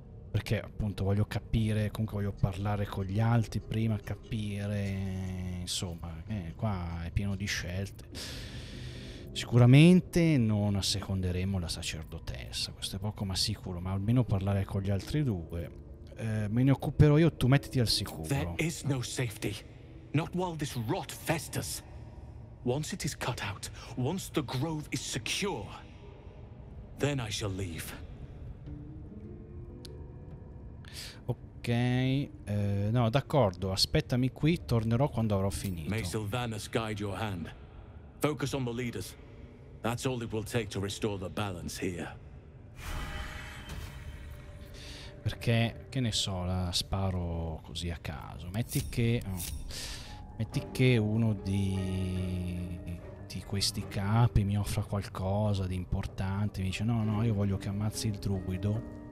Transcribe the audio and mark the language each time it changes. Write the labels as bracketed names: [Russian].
[Italian] Perché appunto voglio capire, comunque voglio parlare con gli altri prima, capire... Insomma, qua è pieno di scelte. Sicuramente non asseconderemo la sacerdotessa, questo è poco ma sicuro, ma almeno parlare con gli altri due. Me ne occuperò io, tu mettiti al sicuro. [English] There is no safety, not while this rot festers. Once it is cut out, once the grove is secure, then I shall leave. [Italian] Ok, no, d'accordo, aspettami qui, tornerò quando avrò finito. [English] May Sylvanas guide your hand. Focus on the leaders. That's all it will take to restore the balance here. [Italian] Perché, che ne so, la sparo così a caso. Metti che uno di questi capi mi offra qualcosa di importante, mi dice no, io voglio che ammazzi il druido.